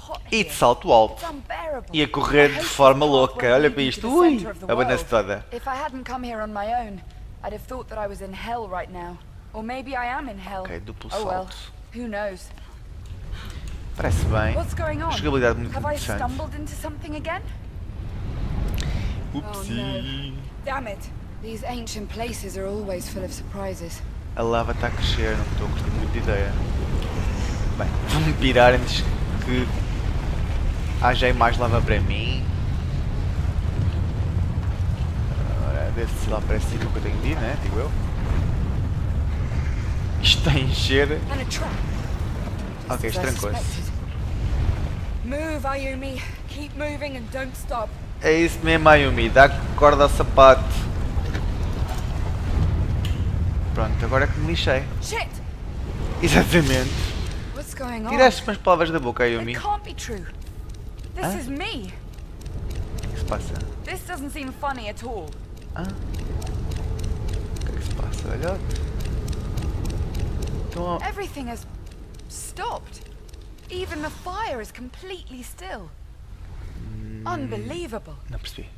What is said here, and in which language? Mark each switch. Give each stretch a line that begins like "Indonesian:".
Portuguese: E de salto alto. E a correr de forma louca. Olha para isto. Ui! A banana toda. Se eu não tivesse vindo aqui por mim mesma, eu teria pensado que estava em hell agora. Ou talvez eu esteja em hell. Ok, duplo salto.
English: Oh, well, who knows?
Portuguese: Parece bem. Uma jogabilidade muito interessante.
English: Have I stumbled into something again? Oopsie. Oh, no. Damn it. These ancient places are always full of surprises.
Portuguese: A lava está a crescer, não estou a curtir muito de ideia. Bem, vou-me pirar antes que haja aí mais lava para mim. Agora, deve-se lá para cima que eu tenho de ir, né? Digo eu. Isto está a encher. Ok, estrancou-se.
English: Move,
Portuguese: Ayumi.
English: Keep moving and don't stop.
Portuguese: É isso mesmo, Ayumi. Dá corda ao sapato. Pronto, agora é que me lixei. Shit! Exatamente.
English: What's going on?
Portuguese: Tiraste-me as palavras da boca, Ayumi.
English: It can't be true. This is me.
Portuguese: O que é que se passa?
English: This doesn't seem funny at all.
Portuguese: O que é que se passa? Olha.
English: Então, everything has stopped. Even the fire is completely still. Unbelievable.
Portuguese: Não percebi.